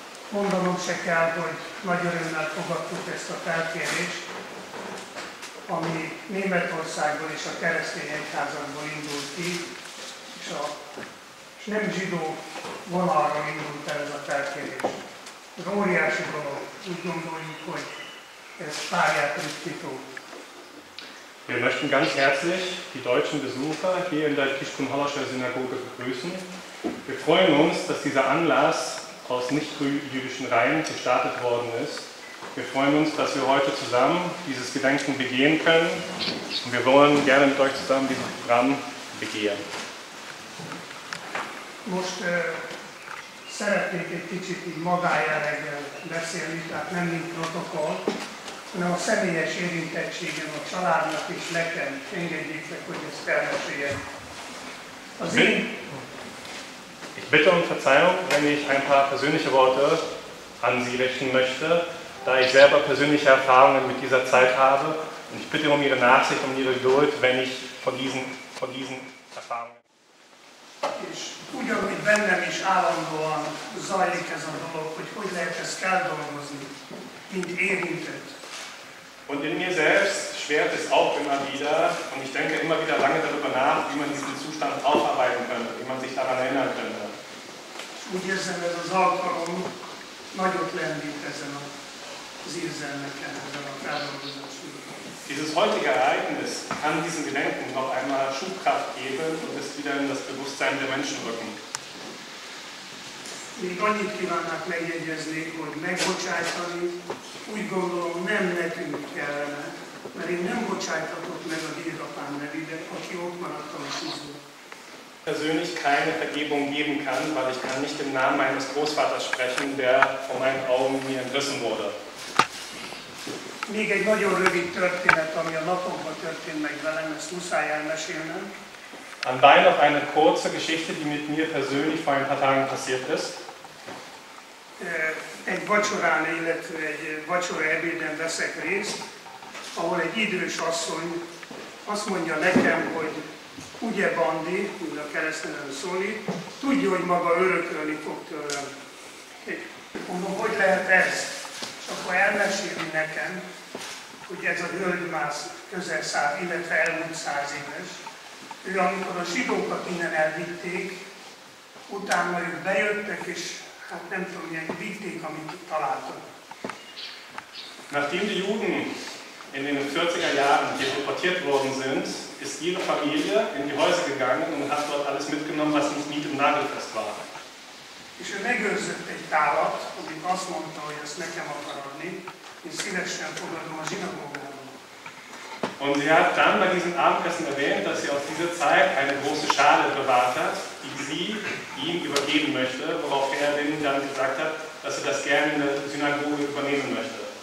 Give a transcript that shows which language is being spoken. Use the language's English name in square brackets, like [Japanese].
[Hungarian] Mondanom se kell, hogy nagy örömmel fogadtuk ezt a felkérést, ami Németországból és a keresztény egyházakból indult ki, és nem zsidó vonalra indult el ez a felkérés. Ez óriási dolog, úgy gondoljuk, hogy ez pályát ritkító. [German] Wir möchten ganz herzlich die deutschen Besucher hier in der Kiskun-Hallaser Synagoge begrüßen. Wir freuen uns, dass dieser Anlass aus nicht-jüdischen Reihen gestartet worden ist. Wir freuen uns, dass wir heute zusammen dieses Gedenken begehen können. Und wir wollen gerne mit euch zusammen dieses Programm begehen. [Hungarian] Most szeretnék egy kicsit magájáreggel beszélni, tehát nem mint protokoll, hanem a személyes érintettségem a családnak is nekem. Engedjétek, hogy ezt elmeséljem. [German] Ich bitte um Verzeihung, wenn ich ein paar persönliche Worte an Sie richten möchte, da ich selber persönliche Erfahrungen mit dieser Zeit habe. Und ich bitte um Ihre Nachsicht, um Ihre Geduld, wenn ich von diesen Erfahrungen. [Hungarian] És ugyanúgy bennem is állandóan zajlik ez a dolog, hogy hogy lehet ezt feldolgozni, mint érintett. [German] Und in mir selbst schwert es auch immer wieder, und ich denke immer wieder lange darüber nach, wie man diesen Zustand aufarbeiten könnte, wie man sich daran erinnern könnte. [Hungarian] Úgy érzem, ez az alkalom nagyot lendít ezen az érzelmeken, ezen a feldolgozáson. [German] Dieses heutige Ereignis kann diesen Gedenken noch einmal Schubkraft geben und es wieder in das Bewusstsein der Menschen rücken. [Hungarian] Még annyit kívánnak megjegyezni, hogy megbocsájtani, úgy gondolom nem nekünk kellene, mert én nem bocsájthatok meg a dédapám nevébe, aki ott maradt a tűzben. [German] Persönlich keine Vergebung geben kann, weil ich kann nicht im Namen meines Großvaters sprechen, der vor meinen Augen mir entrissen wurde. [Hungarian] Még egy nagyon rövid történet, ami a napokban történt meg velem, ezt muszáj elmesélnem. [German] Anbei noch eine kurze Geschichte, die mit mir persönlich vor ein paar Tagen passiert ist. [Hungarian] Egy vacsorán, illetve egy vacsora ebéden veszek részt, ahol egy idős asszony azt mondja nekem, hogy ugye Bandi, úgy a keresztnevem szólni, tudja, hogy maga örökölni fog tőlem. Mondom, hogy lehet ez? És akkor elmeséli nekem, hogy ez a hölgy már közel száz, illetve elmúlt száz éves. Ő, amikor a zsidókat innen elvitték, utána ők bejöttek, és hát nem tudom, milyen vitték, amit találtak. [German] Nachdem die Juden in den 40er Jahren deportiert worden sind, ist ihre Familie in die Häuser gegangen und hat dort alles mitgenommen, was nicht nied- und nagelfest war. [Hungarian] És ő megőrzött egy tálat, amit azt mondta, hogy ezt nekem akar adni, én szívesen fogadom a zsinagógában. [German] Und sie hat dann bei diesem Abendessen erwähnt, dass sie aus dieser Zeit eine große Schale bewahrt hat, die sie ihm übergeben möchte, worauf er dann gesagt hat, dass sie das gerne in der Synagoge übernehmen möchte.